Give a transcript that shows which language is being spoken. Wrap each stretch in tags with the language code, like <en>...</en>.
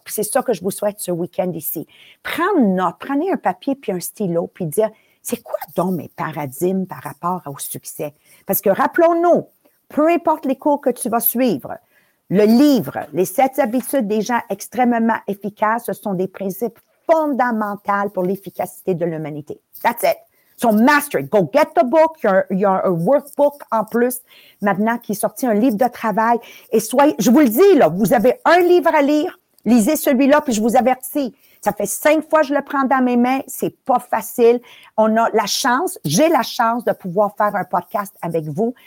<fr>Puis c'est ça que je vous souhaite ce week-end ici. Prendre note, prenez un papier puis un stylo puis dire, c'est quoi donc mes paradigmes par rapport au succès? Parce que rappelons-nous, peu importe les cours que tu vas suivre, le livre, les 7 habitudes des gens extrêmement efficaces, ce sont des principes fondamentaux pour l'efficacité de l'humanité.</fr> <en>That's it. So master it. Go get the book.</en> <fr>Il y a un workbook en plus maintenant qui est sorti, un livre de travail. Et soyez, je vous le dis là, vous avez un livre à lire, lisez celui-là puis je vous avertis. Ça fait 5 fois que je le prends dans mes mains. C'est pas facile. On a la chance, j'ai la chance de pouvoir faire un podcast avec vous.</fr>